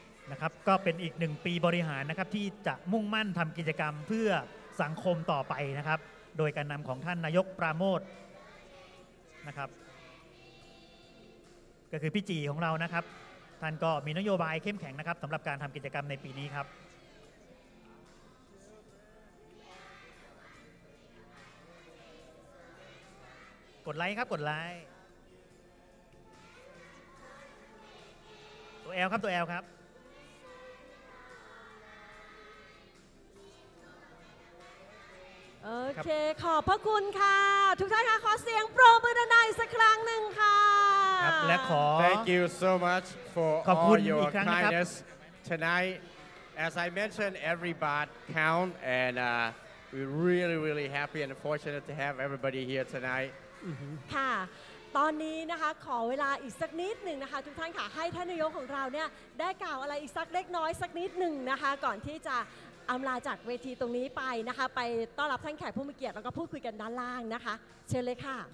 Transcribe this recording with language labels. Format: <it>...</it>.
<th>นะครับก็เป็นอีก1ปีบริหารนะครับที่จะมุ่งมั่นทำกิจกรรมเพื่อสังคมต่อไปนะครับโดยการนำของท่านนายกปราโมชนะครับก็คือพี่จีของเรานะครับท่านก็มีนโยบายเข้มแข็งนะครับสำหรับการทำกิจกรรมในปีนี้ครับกดไลค์ครับกดไลค์ตัวแอลครับตัวแอลครับ โอเคขอบพระคุณค่ะทุกท่านค่ะขอเสียงโปรบุญนายสักครั้งหนึ่งค่ะ ครับและขอ</th> <en>Thank you so much for all your kindness tonight. As I mentioned, every baht count and we're really really happy and fortunate to have everybody here tonight</en> <th>ค่ะตอนนี้นะคะขอเวลาอีกสักนิดหนึ่งนะคะทุกท่านค่ะให้ท่านนายกของเราเนี่ยได้กล่าวอะไรอีกสักเล็กน้อยสักนิดหนึ่งนะคะก่อนที่จะอำลาจากเวทีตรงนี้ไปนะคะไปต้อนรับท่านแขกผู้มีเกียรติแล้วก็พูดคุยกันด้านล่างนะคะเชิญเลยค่ะ</th>